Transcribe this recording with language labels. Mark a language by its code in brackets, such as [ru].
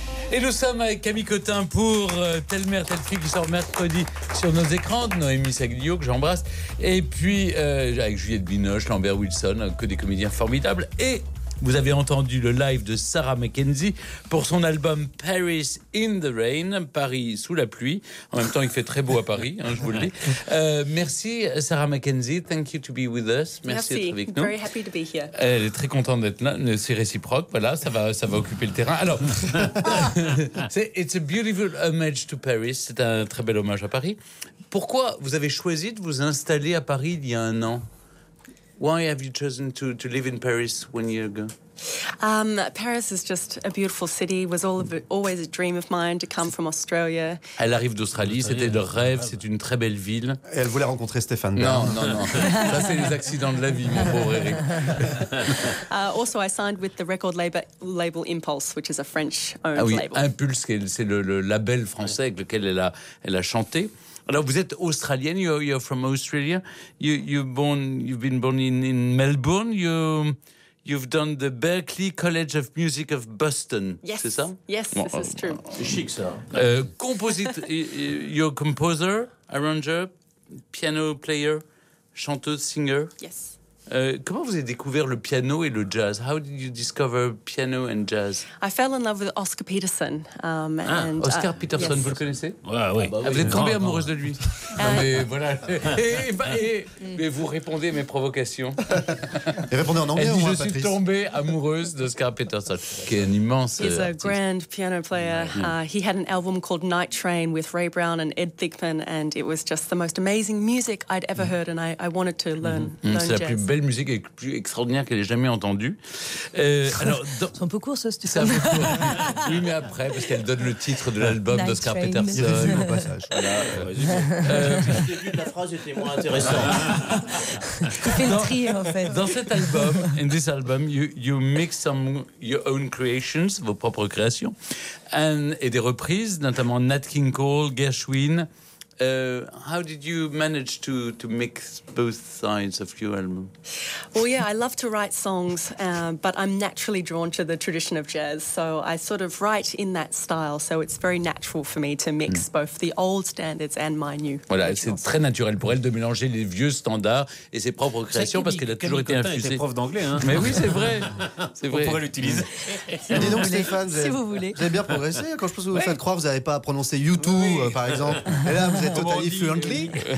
[fr] Et nous sommes avec Camille Cotin pour Telle mère, telle fille qui sort mercredi sur nos écrans, de Noémie Saglio, que j'embrasse. Et puis avec Juliette Binoche, Lambert Wilson, que des comédiens formidables. Et vous avez entendu le live de Sarah McKenzie pour son album Paris in the Rain, Paris sous la pluie. En même temps, il fait très beau à Paris, hein, je vous le dis. Merci [en] Sarah McKenzie, thank you to be with us. [fr] Merci d'être avec nous. [en] Very happy to be here. [fr] Elle est très contente d'être là, c'est réciproque, voilà, ça va occuper le terrain. Alors, [en] it's a beautiful homage to Paris, [fr] c'est un très bel hommage à Paris. Pourquoi vous avez choisi de vous installer à Paris il y a un an? [en] Why have you chosen to live in Paris 1 year ago? Paris is just a beautiful city. It was always a dream of mine to come from Australia. [fr] Elle arrive d'Australie, c'était le rêve, c'est une très belle ville. Et elle voulait rencontrer Stéphane. Non. Ça, c'est les accidents de la vie, mon pauvre Eric. [en] Also, I signed with the record label Impulse, which is a French-owned label. [fr] Ah oui, Impulse, c'est le label français avec lequel elle a chanté. Alors, vous êtes Australienne, [en] you're from Australia. You've been born in Melbourne. You've done the Berklee College of Music of Boston. Yes. [fr] C'est ça? [en] Yes, bon, this is true. [fr] C'est chic, ça. [en] Composite, you're a composer, arranger, piano player. chanteuse, singer. Yes. [fr] Comment vous avez découvert le piano et le jazz? [en] How did you discover piano and jazz? I fell in love with Oscar Peterson. [fr] Oscar Peterson, yes. Vous le connaissez? Ouais, oui. Ah, vous êtes tombée amoureuse de lui. Non, mais voilà. Mais vous répondez à mes provocations. Et répondez en anglais, elle dit, ou je suis tombée amoureuse d'Oscar Peterson, qui est un immense. [en] He's a grand piano player. He had an album called Night Train with Ray Brown and Ed Thigpen, and it was just the most amazing music I'd ever heard, and I wanted to learn jazz. [fr] Belle musique et plus extraordinaire qu'elle ait jamais entendue. C'est un peu court, ça, si tu sais. Oui, mais après, parce qu'elle donne le titre de l'album [en] Night [fr] d'Oscar [en] Train. Peterson. [fr] Il y a un passage. Voilà, le début de la phrase était moins intéressant. Tu fais le tri, en fait. Dans cet album, [en] in this album, you mix some your own creations, [fr] vos propres créations, et des reprises, notamment Nat King Cole, Gershwin. [en] How did you manage to mix both sides of your album? Well, yeah, I love to write songs, but I'm naturally drawn to the tradition of jazz, so I sort of write in that style, so it's very natural for me to mix both the old standards and my new. [fr] Voilà, c'est très naturel pour elle de mélanger les vieux standards et ses propres créations, parce qu'elle a toujours été infusée. Camille Cotin était prof d'anglais, hein. Mais oui, c'est vrai. On pourrait l'utiliser. Dis donc, Stéphane, vous avez bien progressé. Quand je pense que vous faites croire, vous n'avez pas à prononcer YouTube, par exemple. Et là, vous êtes [en] totally fluently.